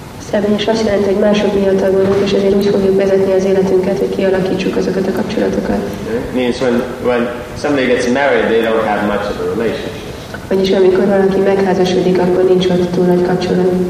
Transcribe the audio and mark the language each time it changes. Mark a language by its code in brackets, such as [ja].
[hu] Személyes azt jelenti, hogy mások miatt aggódunk, és ezért úgy fogjuk vezetni az életünket, hogy kialakítsuk azokat a kapcsolatokat. [en] Yeah, means when somebody gets married, they don't have much of a relationship. [hu] Vagyis amikor valaki megházasodik, akkor nincs ott túl nagy kapcsolat.